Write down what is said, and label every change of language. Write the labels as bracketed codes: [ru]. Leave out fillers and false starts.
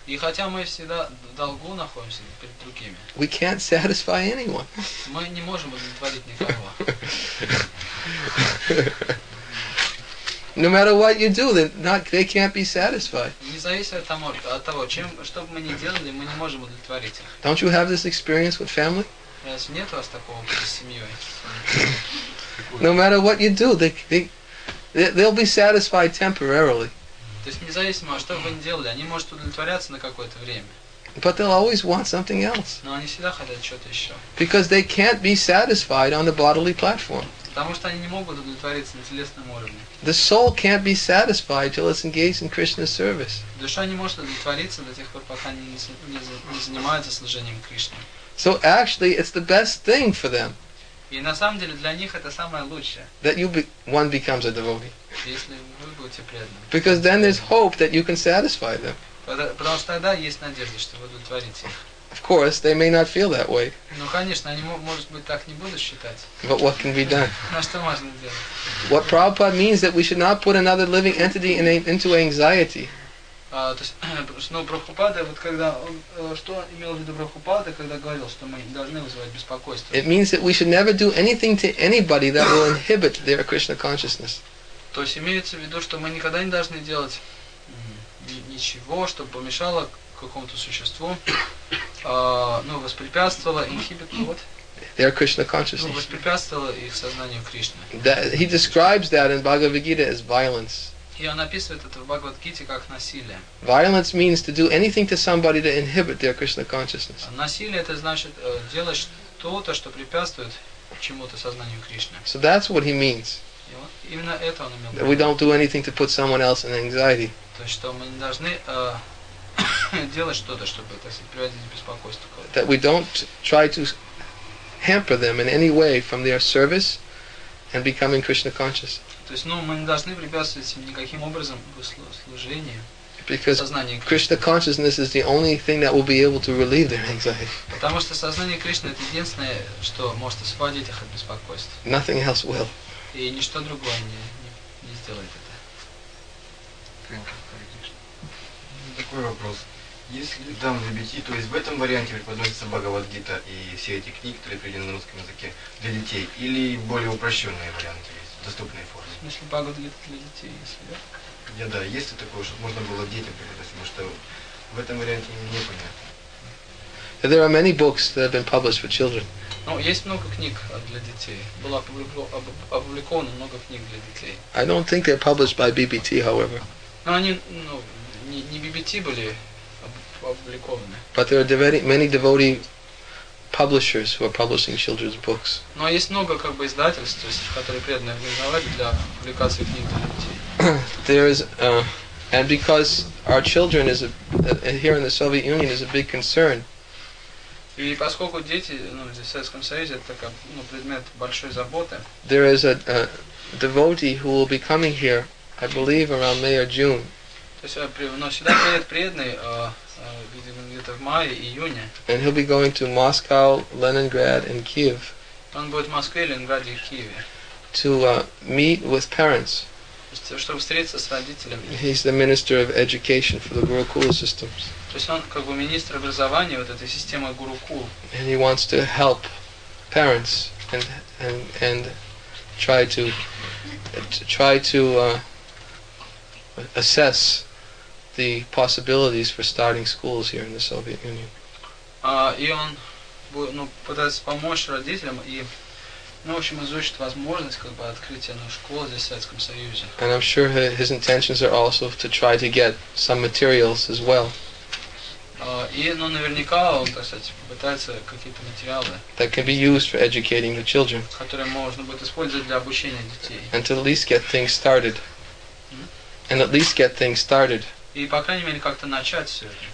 [ru] и хотя мы всегда в долгу находимся перед другими, [en] we can't satisfy anyone. [ru] Мы не можем удовлетворить никого. [en] No matter what you do, they can't be satisfied. [ru] Независимо от того, чем, что бы мы ни делали, мы не можем удовлетворить их. [en] Don't you have this experience with family? [ru] Разве нет у вас такого с семьей? [en] No matter what you do, they'll be satisfied temporarily. [ru] То есть независимо, что бы вы ни делали, они могут удовлетворяться на какое-то время. [en] But they'll always want something else. [ru] Но они всегда хотят что-то еще. [en] Because they can't be satisfied on the bodily platform. [ru] Потому что они не могут удовлетвориться на телесном уровне. [en] The soul can't be satisfied till it's engaged in Krishna's service. [ru] Душа не может удовлетвориться до тех пор, пока они не занимаются служением Кришне. [en] So actually, it's the best thing for them. [ru] И на самом деле для них это самое лучшее. [en] That one becomes a devotee. [ru] Если вы будете преданы. [en] Because then there's hope that you can satisfy them. [ru] Потому что тогда есть надежда, что вы удовлетворите их. [en] Of course, they may not feel that way. [ru] Ну конечно, они может быть так не будут считать. [en] But what can be done? [ru] На что можно сделать? [en] What Prabhupada means that we should not put another living entity into anxiety. [ru] То есть, ну, Прабхупада, вот когда что имел в виду Прабхупада, когда говорил, что мы должны вызывать беспокойство? [en] It means that we should never do anything to anybody that will inhibit their Krishna consciousness. [ru] То есть имеется в виду, что мы никогда не должны делать ничего, чтобы помешало какому-то существу, ну, воспрепятствовало, inhibit, вот. [en] Their Krishna consciousness. [ru] Ну, воспрепятствовало их сознанию Кришны. [en] He describes that in Bhagavad Gita as violence. [ru] И он описывает это в Бхагавад-гите как насилие. [en] Violence means to do anything to somebody to inhibit their Krishna consciousness. [ru] Насилие это значит делать что-то, что препятствует чему-то сознанию Кришны. [en] So that's what he means. [ru] И именно это он имел в виду. [en] We don't do anything to put someone else in anxiety. [ru] То есть что мы не должны делать что-то, чтобы, так сказать, приводить беспокойство. [en] That we don't try to hamper them in any way from their service and becoming Krishna conscious. [ru] То есть, ну, мы не должны препятствовать им никаким образом в служении. [en] Because Krishna consciousness is the only thing that will be able to relieve their anxiety. [ru] Потому что сознание Кришны это единственное, что может освободить их от беспокойства. [en] Nothing else will. [ru] И ничто другое не сделает это. Такой вопрос. Если там для детей, то есть в этом варианте преподносится Бхагавад-гита и все эти книги, которые приведены на русском языке, для детей, или более упрощенные варианты есть, доступные формы? В смысле, Бхагавад-гита для детей, если да? Да, есть ли такое, чтобы можно было детям преподносить, потому что в этом варианте непонятно. [en] There are many books that have been published for children. [ru] Ну, есть много книг для детей. Было опубликовано много книг для детей. [en] I don't think they're published by BBT, however. [ru] Но они, ну, не BBT были опубликованы. [en] But there are many devotee publishers who are publishing children's books. [ru] Но есть много как бы издательств, то есть, которые преданы организовать для публикации книг для детей. [en] There is and because our children is here in the Soviet Union is a big concern. [ru] И поскольку дети, ну, в Советском Союзе это как, ну, предмет большой заботы. [en] There is a devotee who will be coming here, I believe, around May or June. [ru] То есть, но сюда приедет преданный, видимо, где-то в мае, июне. [en] And he'll be going to Moscow, Leningrad, and Kyiv. [ru] Он будет в Москве, Ленинграде и Киеве. [en] To meet with parents. [ru] Чтобы встретиться с родителями. [en] He's the minister of education for the Gurukula systems. [ru] То есть он как бы министр образования вот этой системы Гурукул. [en] And he wants to help parents and try to assess the possibilities for starting schools here in the Soviet Union. [ru] И он, ну, пытается помочь родителям и, ну, в общем, изучить возможность как бы открытия, ну, школ здесь в Советском Союзе. [en] And I'm sure his intentions are also to try to get some materials as well. [ru] И, ну, наверняка он, так сказать, попытается какие-то материалы, [en] that can be used for educating the children, [ru] которые можно будет использовать для обучения детей. [en] And to at least get things started. Mm-hmm. And at least get things started. [ru] И, по крайней мере, как-то начать все это.